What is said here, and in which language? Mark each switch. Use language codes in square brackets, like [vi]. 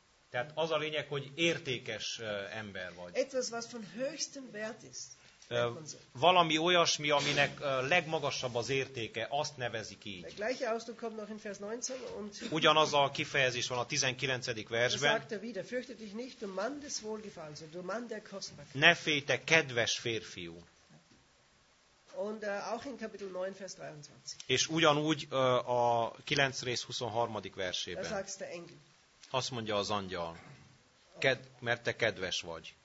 [hu] Tehát az a lényeg, hogy értékes ember vagy. [de] Etwas, was von höchstem Wert ist. [hu] Valami olyasmi, aminek legmagasabb az értéke, azt nevezik így. [de] Gleiche Ausdruck kommt noch in Vers 19 und [hu] ugyanaz a kifejezés van a 19. versben. [de] Sagt er wieder, fürchte dich nicht, du Mann des Wohlgefallens, du Mann der Kostbarkeit. [hu] Ne félj, te kedves férfiú. [de] Und auch in Kapitel 9 Vers 23. [hu] És ugyanúgy a 9 rész 23. versében. [de] Er sagt der Engel. [hu] Azt mondja az angyal, mert te kedves vagy.